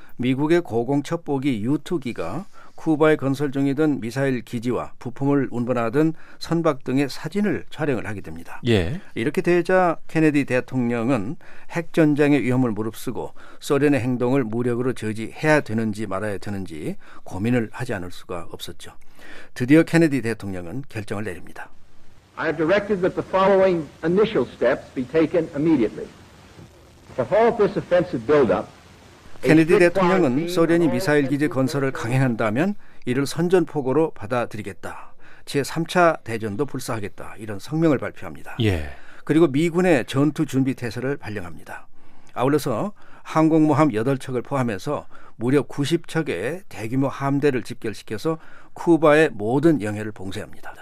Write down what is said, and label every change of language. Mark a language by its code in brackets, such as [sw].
[ko] 미국의 고공첩보기 U2기가 쿠바에 건설 중이던 미사일 기지와 부품을 운반하던 선박 등의 사진을 촬영을 하게 됩니다. 예. 이렇게 되자 케네디 대통령은 핵전쟁의 위험을 무릅쓰고 소련의 행동을 무력으로 저지해야 되는지 말아야 되는지 고민을 하지 않을 수가 없었죠. 드디어 케네디 대통령은 결정을 내립니다. [en] I have directed that the following initial steps be taken immediately. To halt this offensive buildup. [ko] 케네디 대통령은 소련이 미사일 기지 건설을 강행한다면 이를 선전포고로 받아들이겠다. 제3차 대전도 불사하겠다. 이런 성명을 발표합니다. 예. 그리고 미군의 전투 준비 태세를 발령합니다. 아울러서 항공모함 8척을 포함해서 무려 90척의 대규모 함대를 집결시켜서 쿠바의 모든 영해를 봉쇄합니다.